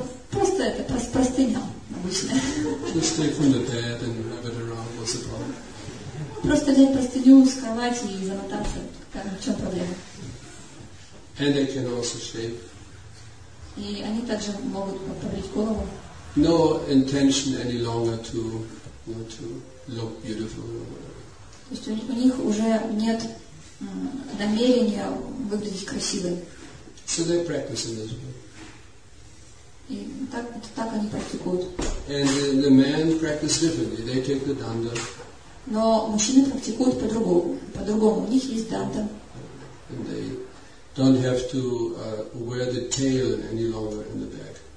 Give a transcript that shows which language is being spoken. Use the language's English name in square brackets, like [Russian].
[Russian] Просто простыня обычная. [English] Just take from the bed and wrap it around. What's the problem? [Russian] Просто взять простыню с кровати и замотаться. В чем проблема? [English] And they can also shave. [Russian] И они также могут побрить голову. [English] No intention any longer to look beautiful. [Russian] То есть у них уже нет намерения выглядеть красивым. [English] So they practice in this way. [Russian] И так они практикуют. [English] And the men practice differently. They take the danda. [Russian] Но мужчины практикуют по-другому. У них есть данда. [English] And they don't have to wear the tail any longer in the back.